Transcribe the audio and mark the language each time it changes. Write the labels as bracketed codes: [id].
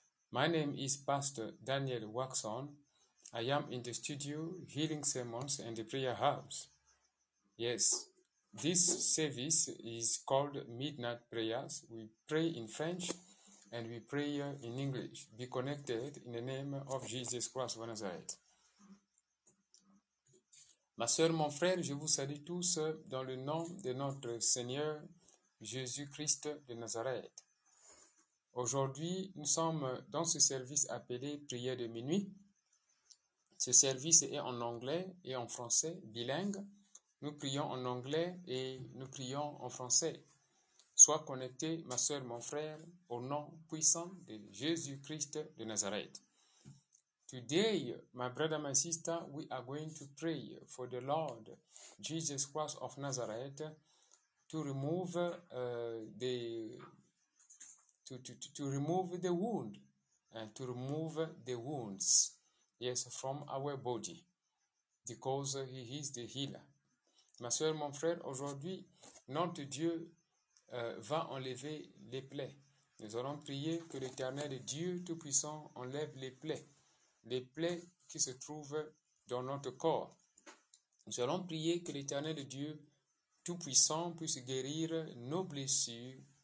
[en] My name is Pastor Daniel Waxon. I am in the studio, Healing Sermons and the Prayer House. Yes, this service is called Midnight Prayers. We pray in French and we pray in English. Be connected in the name of Jesus Christ of Nazareth. [fr] Ma sœur, mon frère, je vous salue tous dans le nom de notre Seigneur Jésus-Christ de Nazareth. Aujourd'hui, nous sommes dans ce service appelé Prière de minuit. Ce service est en anglais et en français, bilingue. Nous prions en anglais et nous prions en français. Sois connecté, ma sœur, mon frère, au nom puissant de Jésus-Christ de Nazareth. [en] Today, my brother, my sister, we are going to pray for the Lord Jesus Christ of Nazareth to remove the wounds, yes, from our body, because he is the healer. [fr] Ma soeur, mon frère, aujourd'hui, notre Dieu va enlever les plaies. Nous allons prier que l'Éternel Dieu Tout-Puissant enlève les plaies qui se trouvent dans notre corps. Nous allons prier que l'Éternel Dieu Tout-Puissant puisse guérir nos blessures.